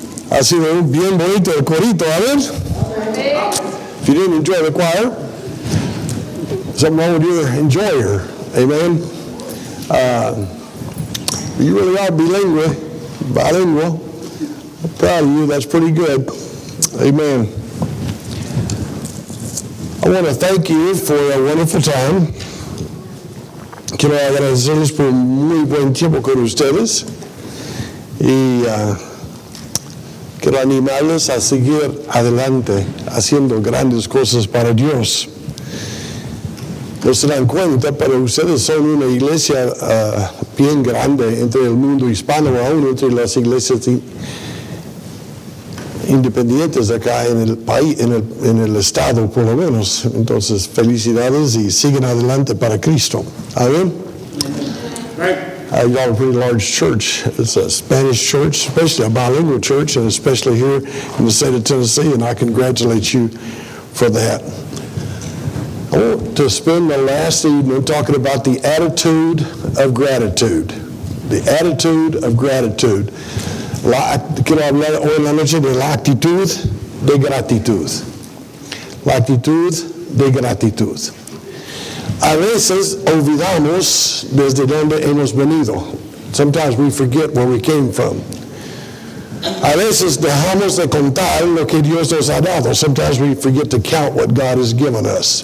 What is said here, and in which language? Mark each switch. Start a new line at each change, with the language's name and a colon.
Spanish: Ha sido un bien bonito el corito, a ver.
English: If you didn't enjoy the choir, something wrong with your enjoyer. Amen. You really are bilingual. I'm proud of you, that's pretty good. Amen. I want to thank you for a wonderful time.
Spanish: Quiero agradecerles por muy buen tiempo con ustedes. Y quiero animarles a seguir adelante haciendo grandes cosas para Dios. No se dan cuenta, pero ustedes son una iglesia bien grande entre el mundo hispano, aún entre las iglesias independientes acá en el país, en el estado por lo menos. Entonces, felicidades y siguen adelante para Cristo. Amén.
English: I got a pretty large church. It's a Spanish church, especially a bilingual church, and especially here in the state of Tennessee, and I congratulate you for that. I want to spend the last evening talking about the attitude of gratitude. The attitude of gratitude.
Spanish: Quiero hablar hoy la noche de la actitud de gratitud. La actitud de gratitud. A veces olvidamos desde donde hemos venido.
English: Sometimes we forget where we came from.
Spanish: A veces dejamos de contar lo que Dios nos ha dado.
English: Sometimes we forget to count what God has given us.